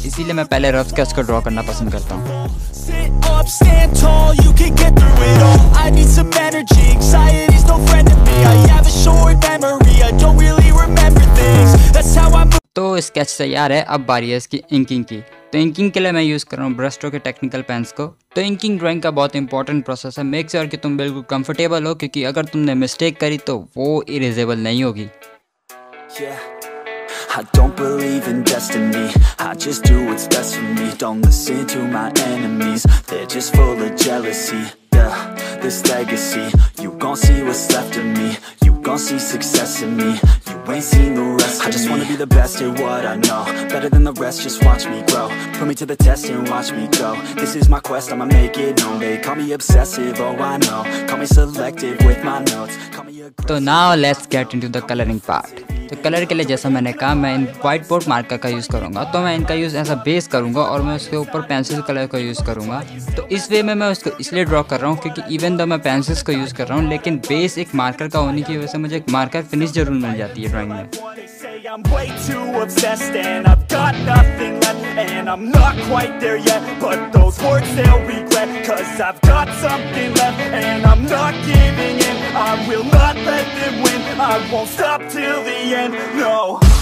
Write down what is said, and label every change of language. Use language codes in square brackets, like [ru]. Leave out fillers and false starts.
[hi] इसीलिए मैं पहले रफ स्केच को ड्रॉ करना पसंद करता हूँ। तो स्केच तैयार है, अब बारी है इसकी इंकिंग की। तो इंकिंग के लिए मैं यूज़ कर रहा हूँ ब्रश्टो के टेक्निकल पेंस को। तो इंकिंग ड्राइंग का बहुत इंपॉर्टेंट प्रोसेस है, मेक श्योर कि तुम बिल्कुल कंफर्टेबल हो, क्योंकि अगर तुमने मिस्टेक करी तो वो इरेजेबल नहीं होगी। [en] I don't believe in destiny, I just do what's best for me. Don't listen to my enemies, they're just full of jealousy. Duh, this legacy, you gon' see what's left of me. You gon' see success in me, you ain't seen the rest of me. I just wanna be the best at what I know, better than the rest, just watch me grow. Put me to the test and watch me go. This is my quest, I'ma make it known. They call me obsessive, oh I know. Call me selective with my notes, call me aggressive. So now let's get into the coloring part. [hi] तो colour के लिए जैसा मैंने कहा मैं इन white board marker का use करूँगा। तो मैं इनका यूज़ ऐसा बेस करूँगा और मैं उसके ऊपर पेंसिल कलर का यूज़ करूँगा। तो इस वे में मैं उसको इसलिए ड्रॉ कर रहा हूँ क्योंकि इवन दो मैं पेंसिल्स को यूज़ कर रहा हूँ लेकिन बेस एक मार्कर का होने की वजह से मुझे एक मार्कर फिनिश जरूर मिल जाती है ड्राइंग में। [en] I'm way too obsessed and I've got nothing left and I'm not quite there yet, but those words they'll regret, cause I've got something left and I'm not giving in. I will not let them win, I won't stop till the end, no.